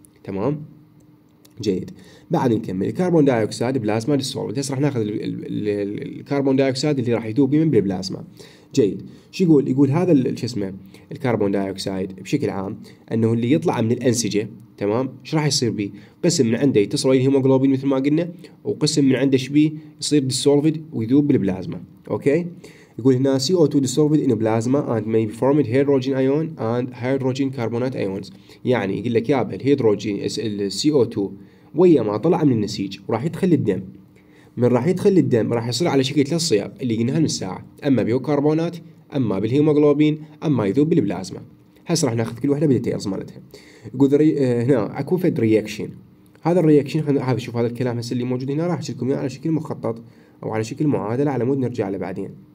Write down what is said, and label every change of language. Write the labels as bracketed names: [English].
[Arabic] تمام، جيد. بعد نكمل الكربون دايوكسيد بلازما ديسولفد، هسه راح ناخذ الكربون دايوكسيد اللي راح يذوب من بالبلازما. جيد، شو يقول؟ يقول هذا شو اسمه الكربون دايوكسيد بشكل عام انه اللي يطلع من الانسجه، تمام، ايش راح يصير به؟ قسم من عنده يتصل ويا الهيموغلوبين مثل ما قلنا، وقسم من عنده ايش بيه يصير ديسولفد ويذوب بالبلازما. اوكي، يقول هنا [English] CO2 dissolved in plasma and may be formed hydrogen ion and hydrogen carbonate ions. [Arabic] يعني يقول لك يا بل هيدروجين CO2 ويا ما طلع من النسيج وراح يدخل الدم، من راح يدخل الدم راح يصير على شكل ثلاث صيغ اللي قلناها من ساعة، أما بيوكربونات أما بالهيموغلوبين أما يذوب بالبلازما. هسه راح ناخذ كل واحدة بالديتيلز مالتها. يقول هنا اكو فد رياكشن، هذا الرياكشن هذا شوف هذا الكلام هسه اللي موجود هنا راح اشرح لكم اياه على شكل مخطط أو على شكل معادلة على مود نرجع له بعدين.